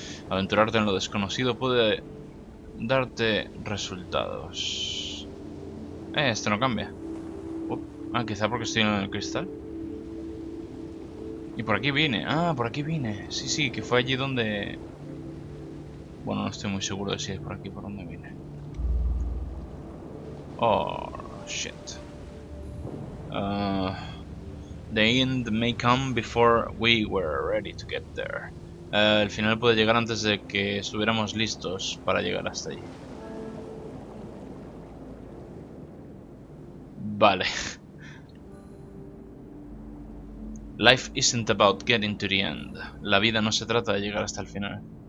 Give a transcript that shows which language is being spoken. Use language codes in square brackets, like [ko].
[es] Aventurarte en lo desconocido puede darte resultados. Esto no cambia. Ah, quizá porque estoy en el cristal. Y por aquí vine. Ah, por aquí vine. Sí, que fue allí donde... Bueno, no estoy muy seguro de si es por aquí por donde vine. [en] Oh, shit. The end may come before we were ready to get there. [es] El final puede llegar antes de que estuviéramos listos para llegar hasta allí. Vale. [en] Life isn't about getting to the end. [es] La vida no se trata de llegar hasta el final.